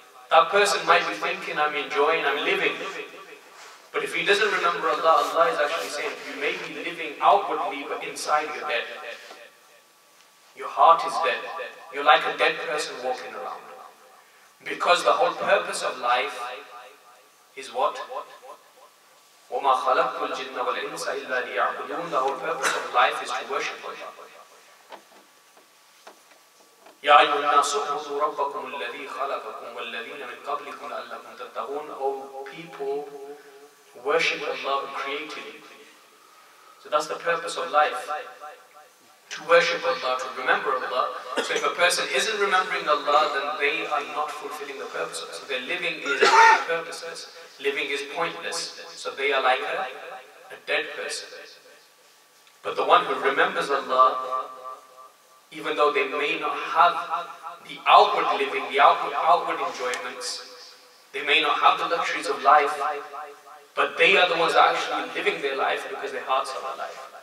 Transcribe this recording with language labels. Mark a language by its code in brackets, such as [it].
[en] That person might be thinking I'm enjoying, I'm living. But if he doesn't remember Allah, Allah is actually saying, you may be living outwardly, but inside you're dead. Your heart is dead. You're like a dead person walking around. Because the whole purpose of life is what? [ar] وَمَا خَلَقْتُ الْجِنَّ وَالْإِنسَ إِلَّا لِيَعْبُدُونَ, [en] the whole purpose of life is to worship Allah. [ar] يَا أَيُّهَا النَّاسُ اعْبُدُوا رَبَّكُمُ الَّذِي خَلَقَكُمْ وَالَّذِينَ مِنْ قَبْلِكُمْ لَعَلَّكُمْ تَتَّقُونَ, [en] O people, worship Allah who created you. So that's the purpose of life. To worship Allah, to remember Allah. So if a person isn't remembering Allah, then they are not fulfilling the purpose. So their living is purposeless. Living is pointless. So they are like a dead person. But the one who remembers Allah, even though they may not have the outward living, the outward enjoyments, they may not have the luxuries of life, but they are the ones actually living their life because their hearts are alive.